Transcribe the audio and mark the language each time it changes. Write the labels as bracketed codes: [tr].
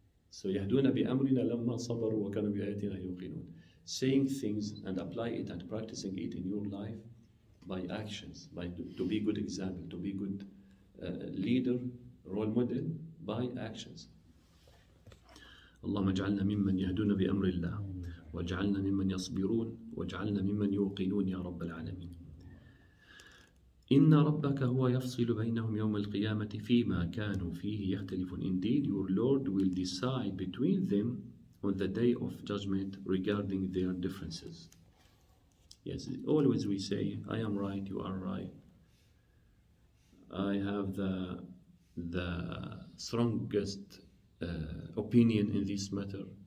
[ar] So يهدون بأمرنا لما صبروا وكانوا بآياتنا يوقنون. [en] Saying things and apply it and practicing it in your life by actions, by to be good example, to be good leader, role model by actions. [ar] اللهم اجعلنا ممن يهدون بأمر الله واجعلنا ممن يصبرون واجعلنا ممن يوقنون يا رب العالمين. إن ربك هو يفصل بينهم يوم القيامة فيما كانوا فيه يختلفون. [en] Indeed your Lord will decide between them on the day of judgment regarding their differences. Yes, always we say, I am right, you are right. I have the strongest opinion in this matter.